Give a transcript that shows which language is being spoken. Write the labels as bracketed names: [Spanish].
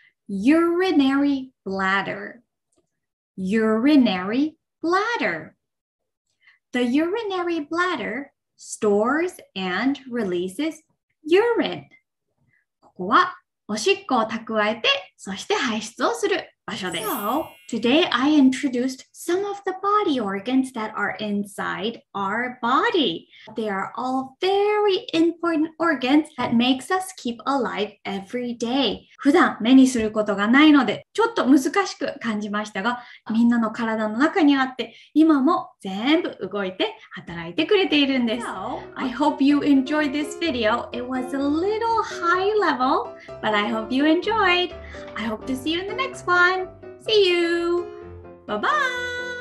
[English] Urinary bladder. Urinary bladder. The urinary bladder stores and releases urine. [Japanese] ここはおしっこを蓄えて、そして排出をする場所です。 [English] So, today I introduced some of the body organs that are inside our body. They are all very important organs that makes us keep alive every day. [Japanese] 普段目にすることがないので、ちょっと難しく感じましたが、みんなの体の中にあって、今も全部動いて働いてくれているんです。 [English] So, I hope you enjoyed this video. It was a little high level, but I hope you enjoyed. I hope to see you in the next one. See you! Bye-bye!